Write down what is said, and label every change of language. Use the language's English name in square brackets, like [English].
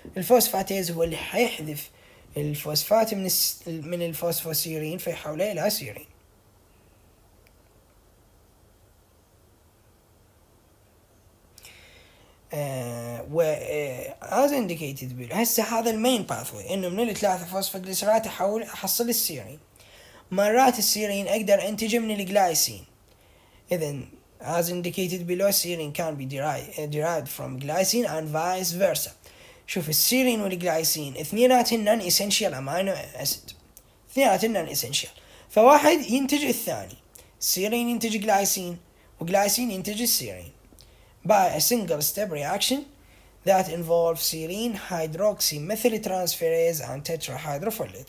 [Arabic] الفوسفاتيز هو اللي حيحذف الفوسفات من الفوسفوسيرين فيحوله الى سيرين. و [English] as indicated [Arabic] بيقول هسه هذا المين باثوي انه من الثلاثه فوسفوجليسرات احصل السيرين. مرات السيرين اقدر انتجه من الجلايسين، اذا [English] as indicated below serine can be derived from glycine and vice versa. [Arabic] شوف السيرين والجلايسين اثنينات النون اسينشال امينو اسيد، اثنينات النون اسينشال، فواحد ينتج الثاني، سيرين ينتج جلايسين وجلايسين ينتج السيرين [English] by a single step reaction that involves serine hydroxy methyl transferase and tetrahydrofolate.